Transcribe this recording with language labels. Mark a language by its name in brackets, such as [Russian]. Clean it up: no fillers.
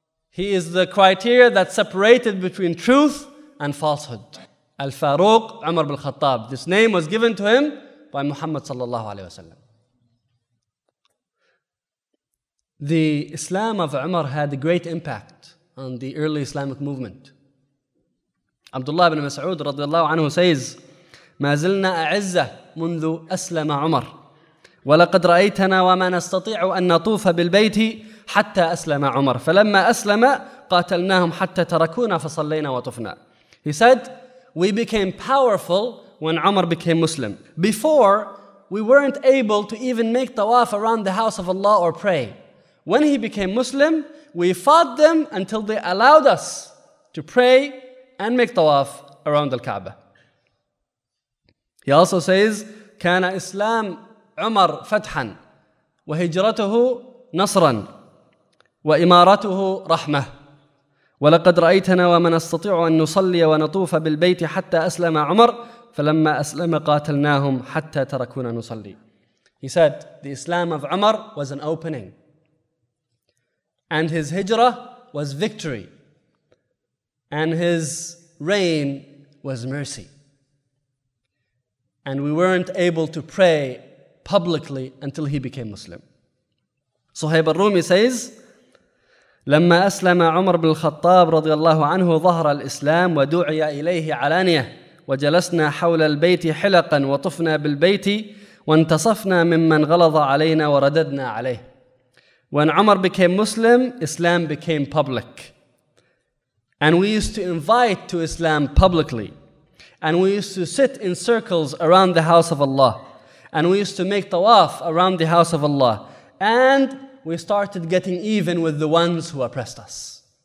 [English] He is the criteria that separated between truth and falsehood. Al-Faruq, Umar bin Khattab. This name was given to him by Muhammad sallallahu alayhi wa sallam. The Islam of Umar had a great impact on the early Islamic movement. [Arabic] Abdullah ibn Mas'ud radiallahu anhu says, ما زلنا أعزة منذ أسلم عمر ولقد رأيتنا وما نستطيع أن نطوف بالبيت حتى أسلم عمر فلما أسلم قاتلناهم حتى تركونا فصلينا وطفنا. [English] He said, we became powerful when Umar became Muslim. Before, we weren't able to even make tawaf around the house of Allah or pray. When he became Muslim, we fought them until they allowed us to pray and make tawaf around the Kaaba. He also says, [Arabic] كان إسلام عمر فتحا وهجرته نصرا وإمارته رحمة ولقد رأيتنا وما نستطيع أن نصلي ونطوف بالبيت حتى أسلم عمر فلما أسلم قاتلناهم حتى تركونا نصلي. [English] He said, the Islam of Umar was an opening and his hijrah was victory and his reign was mercy. And we weren't able to pray publicly until he became Muslim. [Arabic] Suhayb al-Rumi says, لما أسلم عمر بن الخطاب رضي الله عنه ظهر الإسلام ودعي إليه علانية وجلسنا حول البيت حلقا وطفنا بالبيت وانتصفنا ممن غلظ علينا ورددنا عليه. [English] When Umar became Muslim, Islam became public. And we used to invite to Islam publicly. And we used to sit in circles around the house of Allah. And we used to make tawaf around the house of Allah. And we started getting even with the ones who oppressed us.